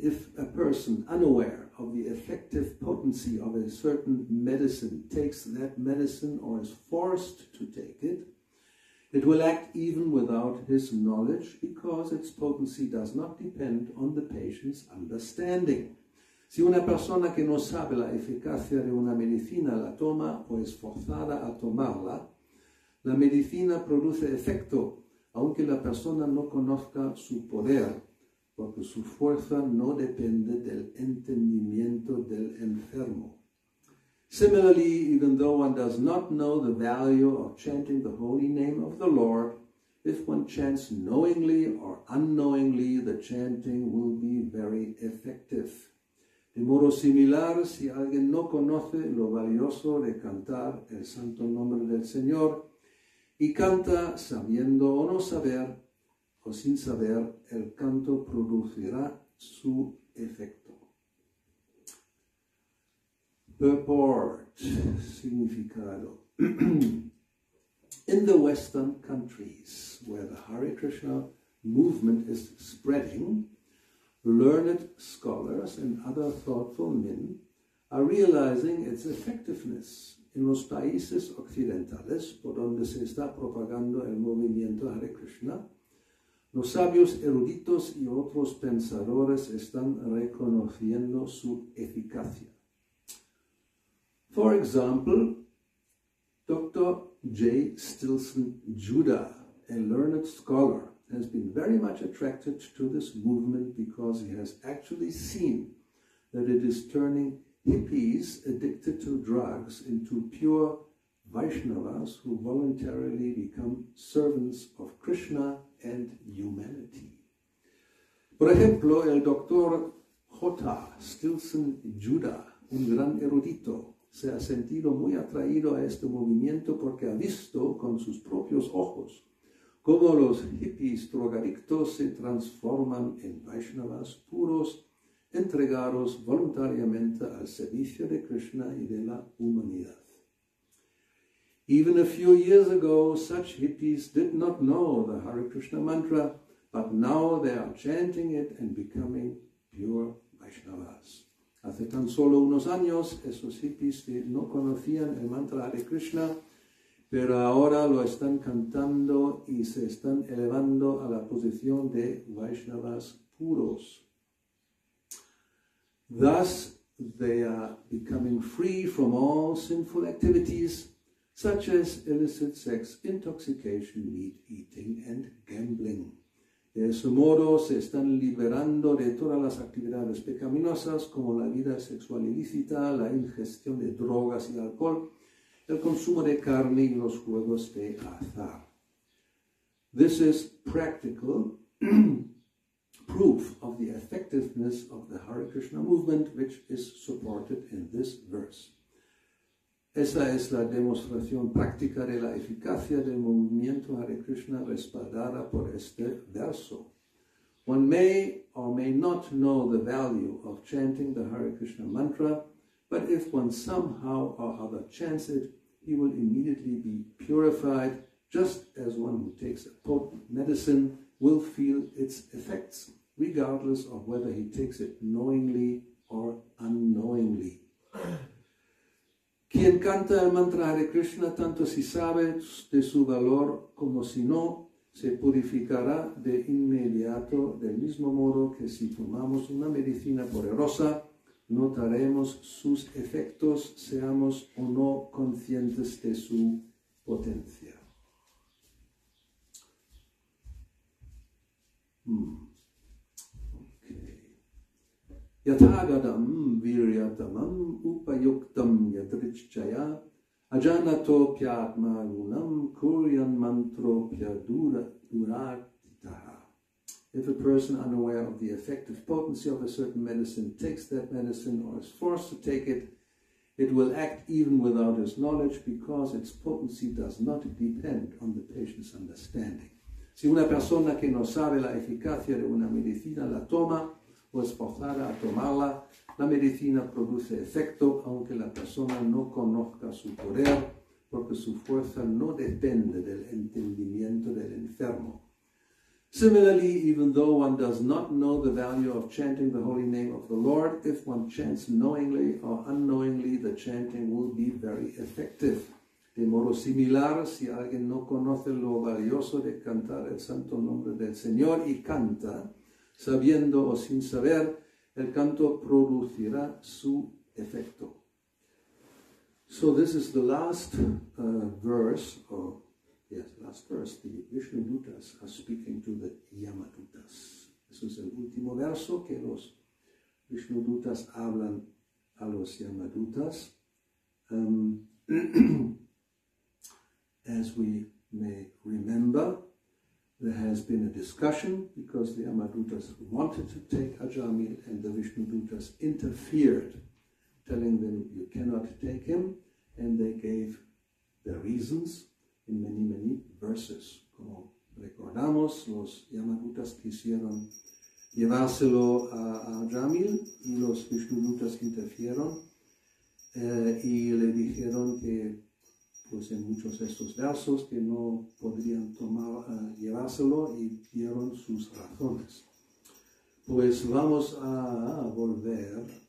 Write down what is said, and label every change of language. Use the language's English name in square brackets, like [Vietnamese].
[English] If a person unaware of the effective potency of a certain medicine takes that medicine or is forced to take it, it will act even without his knowledge because its potency does not depend on the patient's understanding. [Spanish] Si una persona que no sabe la eficacia de una medicina la toma o es forzada a tomarla, la medicina produce efecto aunque la persona no conozca su poder, porque su fuerza no depende del entendimiento del enfermo. [English] Similarly, even though one does not know the value of chanting the holy name of the Lord, if one chants knowingly or unknowingly, the chanting will be very effective. [Spanish] De modo similar, si alguien no conoce lo valioso de cantar el santo nombre del Señor y canta sabiendo o no saber o sin saber, el canto producirá su efecto. [English] Purport, [Spanish] significado. [English] In the Western countries where the Hare Krishna movement is spreading, learned scholars and other thoughtful men are realizing its effectiveness [Spanish] en los países occidentales por donde se está propagando el movimiento Hare Krishna, los sabios eruditos y otros pensadores están reconociendo su eficacia. [English] For example, Dr. J. Stilson Judah, a learned scholar, has been very much attracted to this movement because he has actually seen that it is turning hippies addicted to drugs into pure Vaishnavas who voluntarily become servants of Krishna and humanity. [Spanish] Por ejemplo, el Dr. J. Stilson Judah, un gran erudito, se ha sentido muy atraído a este movimiento porque ha visto con sus propios ojos cómo los hippies drogadictos se transforman en Vaishnavas puros, entregados voluntariamente al servicio de Krishna y de la humanidad. [English] Even a few years ago, such hippies did not know the Hare Krishna mantra, but now they are chanting it and becoming pure Vaishnavas. [Spanish] Hace tan solo unos años, esos hippies que no conocían el mantra Hare Krishna, pero ahora lo están cantando y se están elevando a la posición de Vaishnavas puros. [English] Thus, they are becoming free from all sinful activities, such as illicit sex, intoxication, meat eating, and gambling. [Spanish] De ese modo, se están liberando de todas las actividades pecaminosas, como la vida sexual ilícita, la ingestión de drogas y alcohol, el consumo de carne y los juegos de azar. [English] This is practical proof of the effectiveness of the Hare Krishna movement, which is supported in this verse. [Spanish] Esa es la demostración práctica de la eficacia del movimiento Hare Krishna respaldada por este verso. [English] One may or may not know the value of chanting the Hare Krishna mantra, but if one somehow or other chants it, he will immediately be purified, just as one who takes a potent medicine will feel its effects, regardless of whether he takes it knowingly or unknowingly. [Spanish] Quien canta el mantra Hare Krishna, tanto si sabe de su valor como si no, se purificará de inmediato, del mismo modo que si tomamos una medicina poderosa, notaremos sus efectos, seamos o no conscientes de su potencia. [Sanskrit] Yathagadam viryatamam upayuktam yadrichchaya ajanato pyatma lunam kuryan mantro pyadura duratitaha. [English] If a person unaware of the effective potency of a certain medicine takes that medicine or is forced to take it, it will act even without his knowledge because its potency does not depend on the patient's understanding. [Spanish] Si una persona que no sabe la eficacia de una medicina la toma o es forzada a tomarla, la medicina produce efecto aunque la persona no conozca su poder porque su fuerza no depende del entendimiento del enfermo. [English] Similarly, even though one does not know the value of chanting the holy name of the Lord, if one chants knowingly or unknowingly, the chanting will be very effective. [Spanish] De modo similar, si alguien no conoce lo valioso de cantar el santo nombre del Señor y canta, sabiendo o sin saber, el canto producirá su efecto. [English] So this is the last verse of the Vishnu Dutas are speaking to the Yamadutas. [Spanish] Eso es el último verso que los Vishnu Dutas hablan a los Yamadutas. [English] as we may remember, there has been a discussion because the Yamadutas wanted to take Ajamil and the Vishnu Dutas interfered, telling them you cannot take him, and they gave the reasons in many, many verses. [Spanish] Como recordamos, los Yamadutas quisieron llevárselo a Jamil y los Vishnudutas interfieron y le dijeron que, pues en muchos de estos versos, que no podrían tomar llevárselo y dieron sus razones. Pues vamos a volver